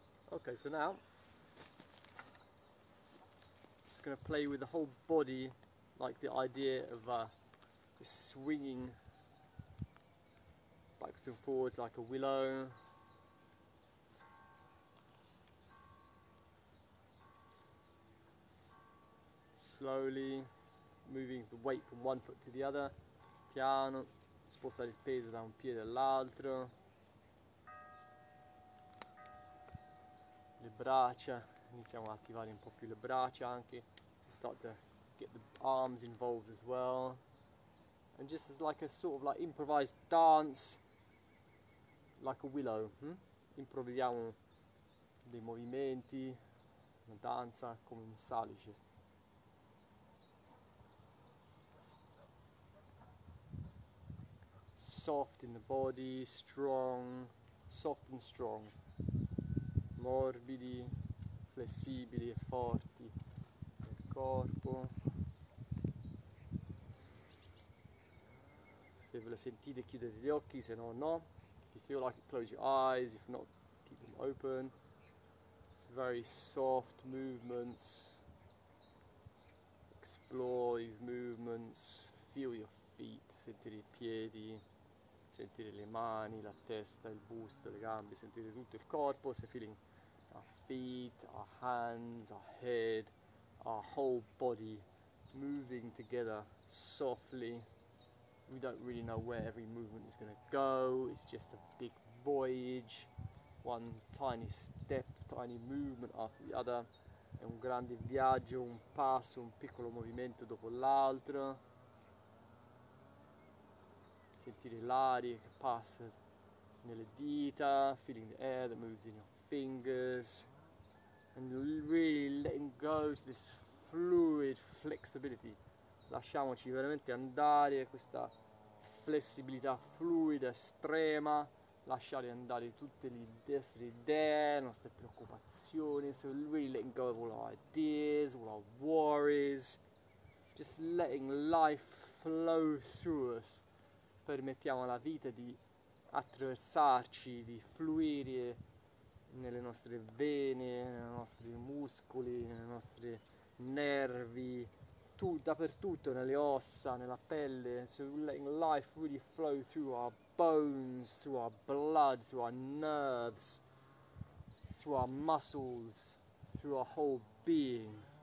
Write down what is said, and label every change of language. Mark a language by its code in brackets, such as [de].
[en] Okay, so now I'm just going to play with the whole body, like the idea of just swinging backwards and forwards like a willow. Slowly moving the weight from one foot to the other. [it] Piano, spostare il peso da un piede all'altro. Le braccia, iniziamo ad attivare un po' più le braccia anche, [en] to start to get the arms involved as well. And just as like a sort of like improvised dance, like a willow, [it] improvvisiamo dei movimenti, una danza come un salice. [en] Soft in the body, strong, soft and strong. [it] Morbidi, flessibili e forti nel corpo. Se ve la sentite, chiudete gli occhi, se no, no. [en] If you feel like it, close your eyes, if not, keep them open. It's very soft movements. Explore these movements. Feel your feet, [it] sentire i piedi. Sentire le mani, la testa, il busto, le gambe, sentire tutto il corpo. [en] Se feeling our feet, our hands, our head, our whole body moving together softly. We don't really know where every movement is going to go. It's just a big voyage. One tiny step, tiny movement after the other. [it] È un grande viaggio, un passo, un piccolo movimento dopo l'altro. Sentire l'aria che passa nelle dita, [en] feeling the air that moves in your fingers, and really letting go to this fluid flexibility. [it] Lasciamoci veramente andare a questa flessibilità fluida estrema, lasciare andare tutte le nostre idee, le nostre preoccupazioni, [en] so really letting go of all our ideas, all our worries, just letting life flow through us. [it] Permettiamo alla vita di attraversarci, di fluire nelle nostre vene, nei nostri muscoli, nei nostri nervi, dappertutto, nelle ossa, nella pelle. [en] So letting life really flow through our bones, through our blood, through our nerves, through our muscles, through our whole being.